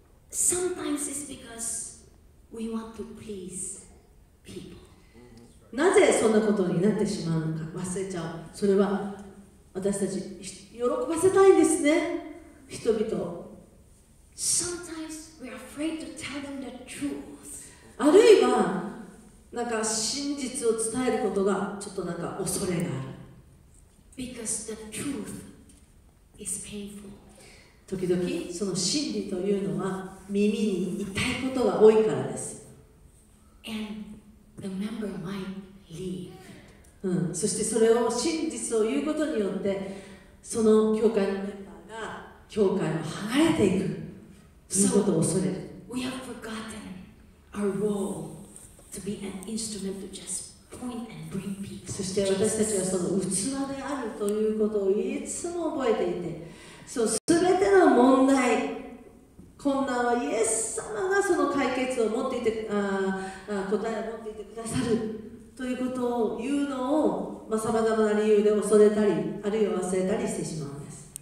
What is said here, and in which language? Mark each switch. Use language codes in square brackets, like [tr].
[en] Sometimes it's because we want to please people. [ja] なぜそんなことになってしまうのか忘れちゃう。それは私たち喜ばせたいんですね。人々を。 [en] Sometimes we're afraid to tell them the truth. [ja] あるいはなんか真実を伝えることがちょっとなんか恐れがある。 [en] Because the truth is painful. [ja] 時々その真理というのは耳に痛いことが多いからです。 [en] And the member might leave. [ja] うん、そしてそれを真実を言うことによってその教会のメンバーが教会を離れていくということを恐れる。 [en] So, we have forgotten our role. To be an instrument to just point and bring people. [ja] そして私たちはその器であるということをいつも覚えていて、そう全ての問題、困難はイエス様がその解決を持っていて、答えを持っていてくださるということを言うのを、まあ、様々な理由で恐れたり、あるいは忘れたりしてしまうんです。